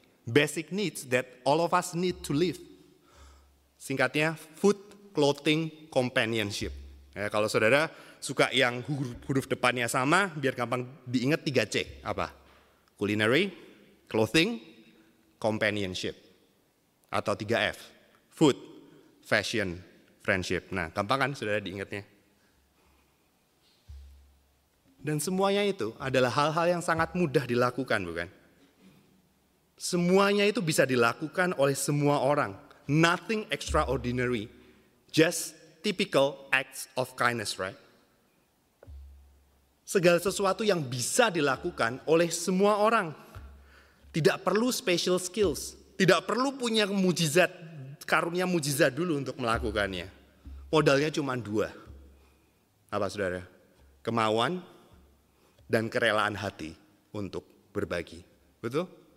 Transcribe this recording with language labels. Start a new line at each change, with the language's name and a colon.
English: Basic needs that all of us need to live.
Indonesian: Singkatnya,
English: food, clothing, companionship.
Indonesian: Ya, kalau saudara suka yang huruf depannya sama, biar gampang diingat 3C. Apa?
English: culinary, clothing, companionship.
Indonesian: Atau
English: 3F, food, fashion, friendship.
Indonesian: Nah, gampang kan saudara diingatnya? Dan semuanya itu adalah hal-hal yang sangat mudah dilakukan, bukan? Semuanya itu bisa dilakukan oleh semua orang.
English: Nothing extraordinary, just typical acts of kindness, right?
Indonesian: Segala sesuatu yang bisa dilakukan oleh semua orang. Tidak perlu
English: special skills.
Indonesian: Tidak perlu punya mujizat, karunia mujizat dulu untuk melakukannya. Modalnya cuma dua. Apa saudara? Kemauan dan kerelaan hati untuk berbagi. Betul?